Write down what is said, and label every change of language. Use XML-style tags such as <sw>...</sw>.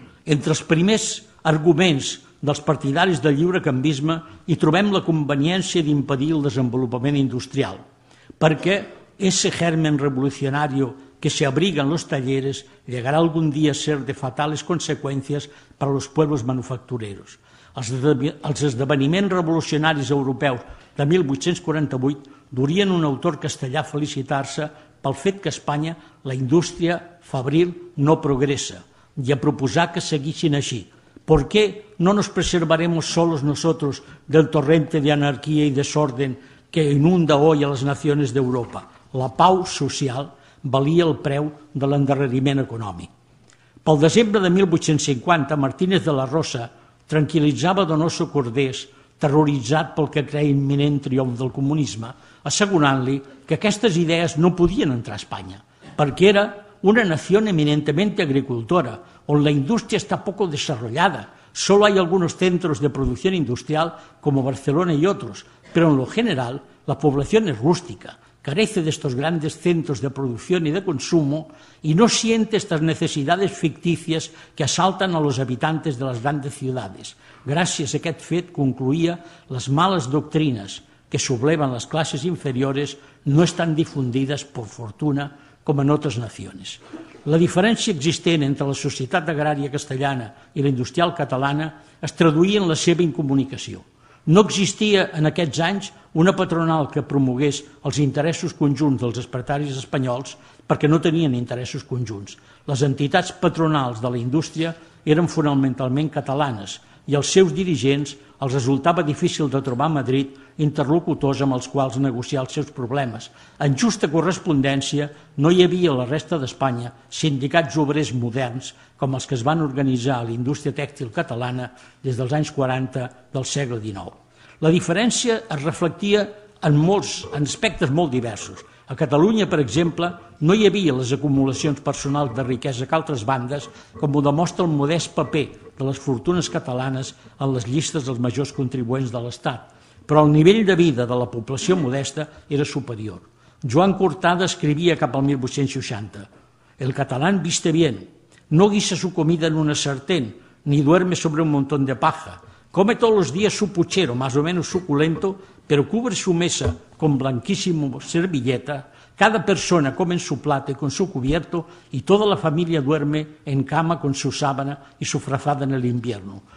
<ca>Entre els primers arguments dels partidaris del lliurecanvisme hi trobem la conveniència d'impedir el desenvolupament industrial, perquè</ca> <es>ese germen revolucionario que se abriga en los talleres llegará algún día a ser de fatales consecuencias para los pueblos manufactureros.</es> <ca>Els esdeveniments revolucionaris europeus de 1848 durien un autor castellà a felicitar-se pel fet que a Espanya la indústria fabril no progressa i a proposar que seguissin així.</ca> <es>¿Por qué no nos preservaremos solos nosotros del torrente de anarquía y desorden que inunda hoy a las naciones de Europa?</es> <ca>La pau social valia el preu de l'endarreriment econòmic. Pel desembre de 1850, Martínez de la Rosa tranquil·litzava Donoso Cordés, terroritzat pel que creia imminent triomf del comunisme, assegurant-li que aquestes idees no podien entrar a Espanya, perquè era una nació</ca> <es>eminentemente agricultora,</es> <ca>on la indústria està</ca> <es>poco desarrollada. Solo hay algunos centros de producción industrial, como Barcelona y otros, pero en lo general la población es rústica, carece de estos grandes centros de producción y de consumo y no siente estas necesidades ficticias que asaltan a los habitantes de las grandes ciudades. Gracias a</es> <ca>aquest fet,</ca> <es>concluía, las malas doctrinas que sublevan las clases inferiores no están difundidas, por fortuna, como en otras naciones.</es> <ca>La diferència existent entre la societat agrària castellana i la industrial catalana es traduïa en la seva incomunicació. No existia en aquests anys una patronal que promogués els interessos conjunts dels espartaris espanyols perquè no tenien interessos conjunts. Les entitats patronals de la indústria eren fonamentalment catalanes i els seus dirigents els resultava difícil de trobar a Madrid interlocutors amb els quals negociar els seus problemes. En justa correspondència, no hi havia a la resta d'Espanya sindicats obrers moderns com els que es van organitzar a la indústria tèxtil catalana des dels anys 40 del segle XIX. La diferència es reflectia en aspectes molt diversos. A Catalunya, per exemple, no hi havia les acumulacions personals de riquesa que altres bandes, com ho demostra el modest paper de les fortunes catalanes en les llistes dels majors contribuents de l'Estat, però el nivell de vida de la població modesta era superior.</ca> <es>Joan Cortada</es> <ca>escrivia cap al 1860:</ca> <es>«El catalán viste bien, no guisa su comida en una sartén, ni duerme sobre un montón de paja, come todos los días su puchero, más o menos suculento, pero cubre su mesa con blanquísimo servilleta, cada persona come en su plato y con su cubierto y toda la familia duerme en cama con su sábana y su frazada en el invierno.</es>